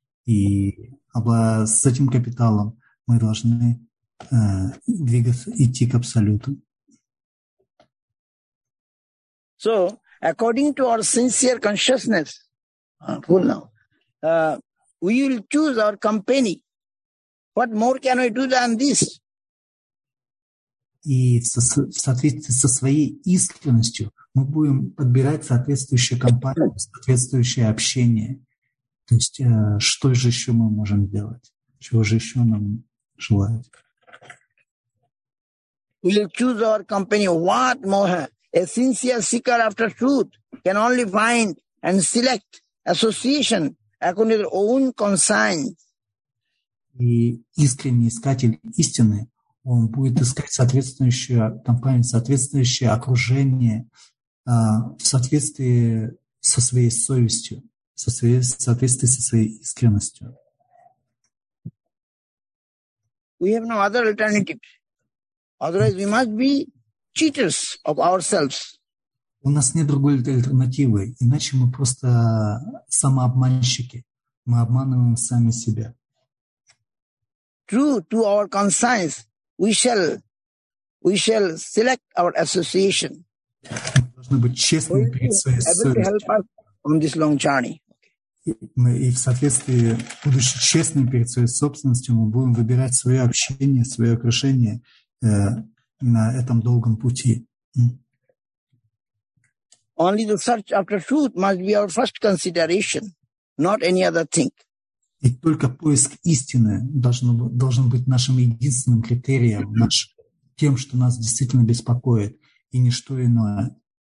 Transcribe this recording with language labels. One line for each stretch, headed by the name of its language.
Russian: И с этим капиталом мы должны двигаться, идти к абсолюту.
English: So, according to our sincere consciousness, we will choose our company. What more can we do than this?
Russian: И в соответствии со своей искренностью мы будем подбирать соответствующую компанию, соответствующее общение. То есть, что же еще мы можем делать? Чего же еще нам желать?
English: We'll choose our company. What more? A sincere seeker after truth can only find and select association according to their own conscience.
Russian: И искренний искатель истины, он будет искать соответствующую компанию, соответствующее окружение в соответствии со своей совестью. Соответствии со своей искренностью.
English: We have no other alternative. Otherwise, we must be cheaters of ourselves.
Russian: У нас нет другой альтернативы, иначе мы просто самообманщики. Мы обманываем сами себя.
English: True to our conscience, we shall select our association.
Russian: Мы должны быть честными перед своей совестью.
English: Help us on this long journey.
Russian: И в соответствии, будучи честным перед своей собственностью, мы будем выбирать свое общение, свое окружение на этом долгом пути.
English: Only the search after truth must be our first consideration, not any other thing.
Russian: И только поиск истины должен быть нашим единственным критерием, тем, что нас действительно беспокоит, и ничто иное.